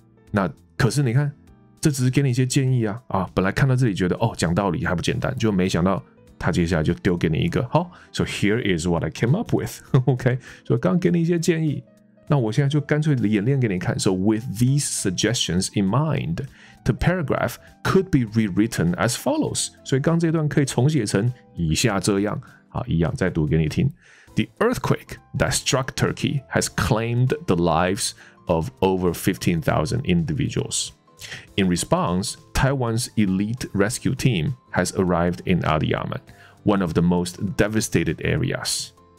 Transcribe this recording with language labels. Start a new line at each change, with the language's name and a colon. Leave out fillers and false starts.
Chinese: 那可是你看，这只是给你一些建议啊，本来看到这里觉得哦讲道理还不简单，就没想到他接下来就丢给你一个好、哦、
English: So here is what I came up with，
Chinese: OK， 所以刚给你一些建议，那我现在就干脆演练给你看。
English: So with these suggestions in mind， the paragraph could be rewritten as follows。
Chinese: 所以刚这段可以重写成以下这样，好，一样再读给你听。
English: The earthquake that struck Turkey has claimed the lives of over 15,000 individuals. In response, Taiwan's elite rescue team has arrived in Adiyaman, one of the most devastated areas.